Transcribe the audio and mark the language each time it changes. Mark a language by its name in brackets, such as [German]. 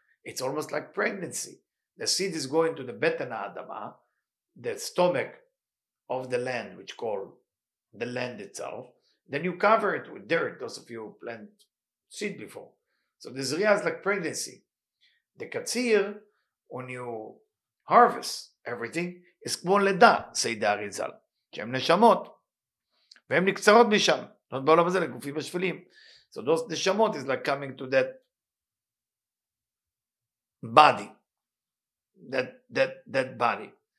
[English] It's almost like pregnancy. The seed is going to the Betana Adama, the stomach of the land, which called the land itself, then you cover it with dirt, those of you who plant seed before. So the Zriah is like pregnancy. The Katsir, when you harvest everything, is [Hebrew] kmo leda, [English] say the Arizal. [Hebrew] שהם נשמות, והם נקצרות משם, not בעולם הזה, לגופים השפלים. [English] So those נשמות is like coming to that body, that body.